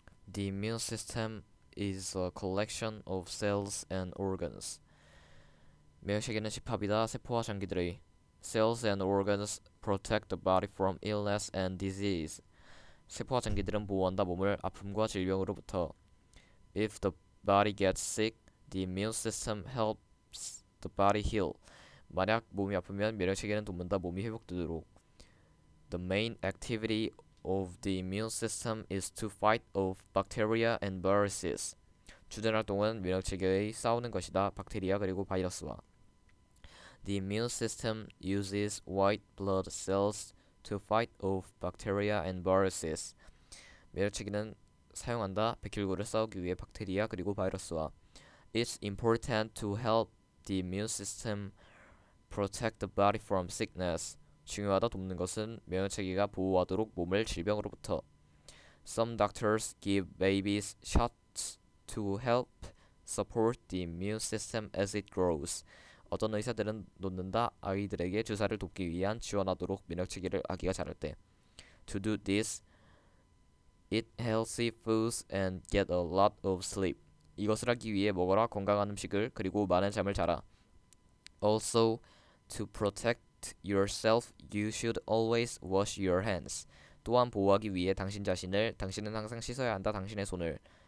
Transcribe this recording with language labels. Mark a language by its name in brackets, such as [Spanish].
[English] The immune system is a collection of cells and organs. [Korean] 묘역에는 집합이다, 세포와 장기들의. [English] Cells and organs protect the body from illness and disease. [Korean] 세포와 장기들은 보호한다, 몸을 아픔과 질병으로부터. [English] If the body gets sick, the immune system helps the body heal. [Korean] 만약 몸이 아프면 면역체계는 돕는다, 몸이 회복되도록. [English] The main activity of the immune system is to fight off bacteria and viruses. [Korean] 주된 활동은 면역체계의 싸우는 것이다, 박테리아 그리고 바이러스와. [English] The immune system uses white blood cells to fight off bacteria and viruses. [Korean] 면역체계는 사용한다, 백혈구를 싸우기 위해 박테리아 그리고 바이러스와. [English] It's important to help the immune system protect the body from sickness. [Korean] 중요하다, 돕는 것은 면역체계가 보호하도록 몸을 질병으로부터. [English] Some doctors give babies shots to help support the immune system as it grows. [Korean] 어떤 의사들은 놓는다, 아이들에게 주사를 돕기 위한 지원하도록 면역체계를 아기가 자랄 때. [English] To do this, eat healthy foods and get a lot of sleep. [Korean] 이것을 하기 위해 먹어라, 건강한 음식을, 그리고 많은 잠을 자라. [English] Also, to protect yourself, you should always wash your hands. [Korean] 또한 보호하기 위해 당신 자신을, 당신은 항상 씻어야 한다, 당신의 손을.